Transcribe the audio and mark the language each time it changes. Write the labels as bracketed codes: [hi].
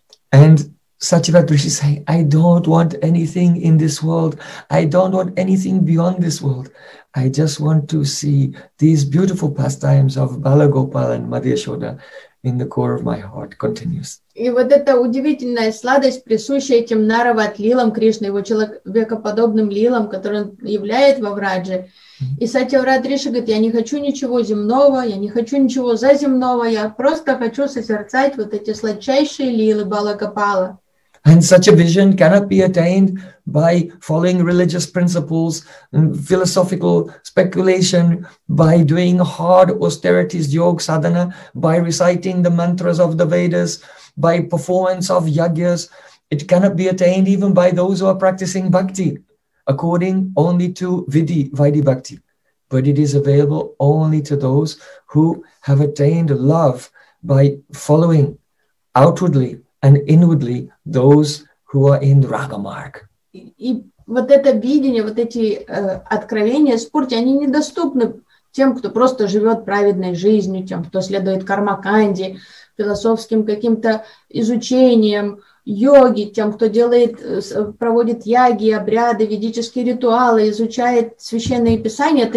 [en] And Satyavrata Rishi say, "I don't want anything in this world. I don't want anything beyond this world. I just want to see these beautiful pastimes of Balagopal and Madhya Yashoda in the core of my heart continues." [ru] И вот эта удивительная сладость, присущая этим Наравад лилам Кришны, его человекоподобным лилам, которые он являет во Врадже. И Сатьяврат Риша говорит: "Я не хочу ничего земного, я не хочу ничего заземного, я просто хочу созерцать вот эти сладчайшие лилы Балагопала." [en] And such a vision cannot be attained by following religious principles and philosophical speculation, by doing hard austerities, yoga sadhana, by reciting the mantras of the Vedas, by performance of yajnas. It cannot be attained even by those who are practicing bhakti, according only to vidhi bhakti. But it is available only to those who have attained love by following outwardly and inwardly those who are in the raga mark. [ru] И вот это видение, вот эти откровения спурти, они недоступны тем, кто просто живет праведной жизнью, тем, кто следует кармаканде, философским каким-то изучением йоги, тем, кто проводит яги, обряды, ведические ритуалы, изучает священные писания.